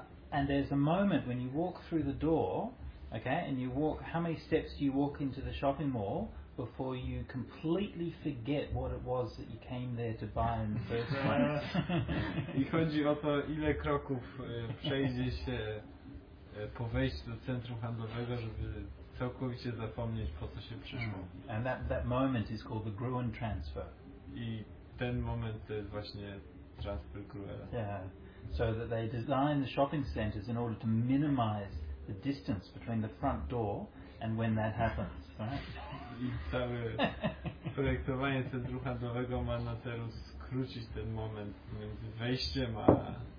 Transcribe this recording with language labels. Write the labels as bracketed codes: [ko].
[en] And there's a moment when you walk through the door, okay, and you walk, how many steps do you walk into the shopping mall before you completely forget what it was that you came there to buy in the first place? [pl] I chodzi o to, ile kroków przejdzie się po wejściu do centrum handlowego, żeby całkowicie zapomnieć, po co się przyszło. [en] And that moment is called the Gruen Transfer. [pl] I ten moment to jest właśnie transfer Gruena. [en] Yeah. So that they design the shopping centers in order to minimize the distance between the front door and when that happens, right? [pl] I całe projektowanie centrum handlowego ma na celu skrócić ten moment między wejściem a